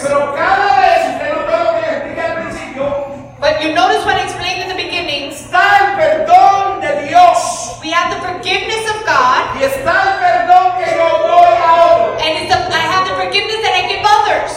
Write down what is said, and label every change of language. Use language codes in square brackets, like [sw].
[es] Pero cada vez, te lo tengo que explicar al principio, [en] but you notice what I explained in the beginning. [es] Está el perdón de Dios. [en] We have the forgiveness of God. [es] Y está el perdón que yo doy a otros. [en] And it's I have the forgiveness that I give others.